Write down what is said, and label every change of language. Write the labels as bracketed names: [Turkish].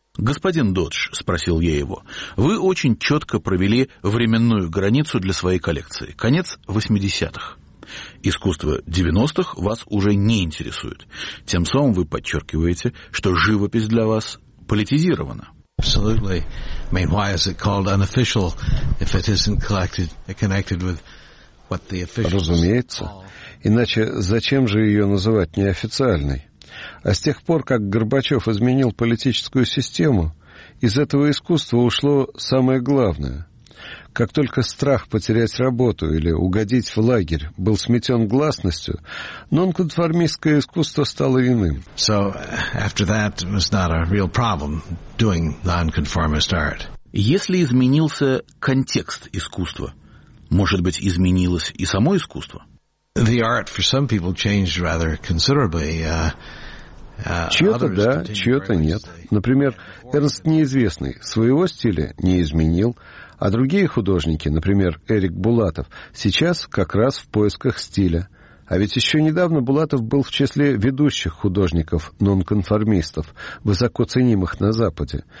[Russian] «Господин Додж», — спросил я его, — «вы очень четко провели временную границу для своей коллекции. Конец 80-х. Искусство 90-х вас уже не интересует. Тем самым вы подчеркиваете, что живопись для вас политизирована». [English] Absolutely. I mean, why is it called unofficial if it isn't collected, connected with what the officials... [Russian] Разумеется. Иначе зачем же ее называть неофициальной? А с тех пор, как Горбачев изменил политическую систему, из этого искусства ушло самое главное. Как только страх потерять работу или угодить в лагерь был сметен гласностью, нонконформистское искусство стало иным. [English] So, after that, it was not a real problem doing non-conformist art. [Russian] Если изменился контекст искусства, может быть, изменилось и само искусство? [English] The art for some people changed rather considerably. [Russian] Чье-то да, чье-то нет. Например, Эрнст Неизвестный своего стиля не изменил, а другие художники, например, Эрик Булатов, сейчас как раз в поисках стиля. А ведь еще недавно Булатов был в числе ведущих художников, нонконформистов, высоко ценимых на Западе.